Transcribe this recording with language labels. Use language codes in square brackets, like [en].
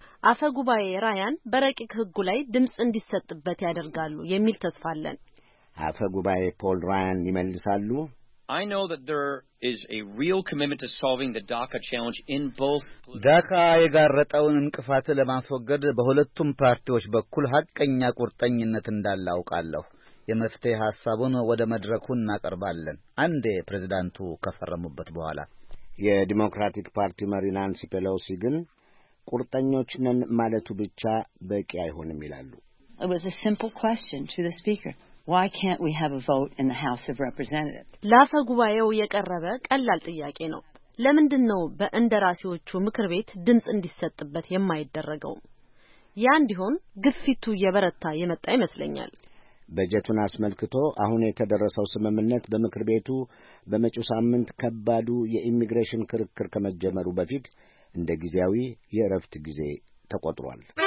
[am] አፈ ጉባኤ ራያን በረቂቅ ህጉ ላይ ድምፅ እንዲሰጥበት ያደርጋሉ የሚል ተስፋ አለን። አፈ ጉባኤ ፖል ራያን ይመልሳሉ። [en] I know that there is a real commitment to solving the DACA challenge in both [am] DACA የጋረጠውን እንቅፋት ለማስወገድ በሁለቱም ፓርቲዎች በኩል ሀቀኛ ቁርጠኝነት እንዳላውቃለሁ። የመፍትሄ ሐሳቡን ወደ መድረኩ እናቀርባለን አንዴ ፕሬዝዳንቱ ከፈረሙበት በኋላ። የዲሞክራቲክ ፓርቲ መሪ ናንሲ ፔሎሲ ግን ቁርጠኞች ነን ማለቱ ብቻ በቂ አይሆንም ይላሉ። [en] It was a simple question to the speaker. Why can't we have a vote in the House of Representatives? [am] ላፈ ጉባኤው የቀረበ ቀላል ጥያቄ ነው። ለምንድነው በእንደራሴዎቹ ምክር ቤት ድምጽ እንዲሰጥበት የማይደረገው? ያ እንዲሆን ግፊቱ የበረታ የመጣ ይመስለኛል። በጀቱን አስመልክቶ አሁን የተደረሰው ስምምነት በምክር ቤቱ በመጪው ሳምንት ከባዱ የኢሚግሬሽን ክርክር ከመጀመሩ በፊት እንደ ጊዜያዊ የእረፍት ጊዜ ተቆጥሯል።